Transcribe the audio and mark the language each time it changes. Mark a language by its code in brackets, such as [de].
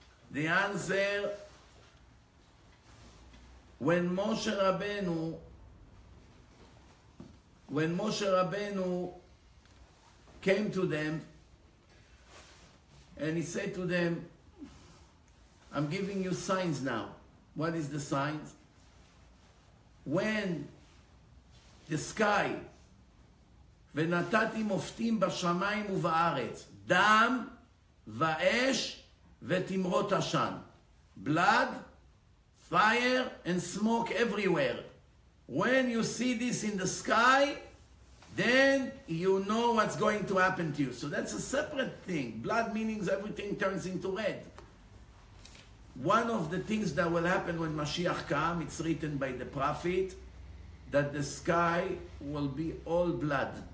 [en] The answer, when Moshe Rabbeinu came to them and he said to them, I'm giving you signs now. What is the signs? When the sky, [he] ונתתי מופתים בשמיים ובארץ, דם ואש ותמרות עשן. [en] Blood, fire, and smoke everywhere. When you see this in the sky, then you know what's going to happen to you. So that's a separate thing. Blood means everything turns into red. One of the things that will happen when Mashiach comes, it's written by the prophet, that the sky will be all blood.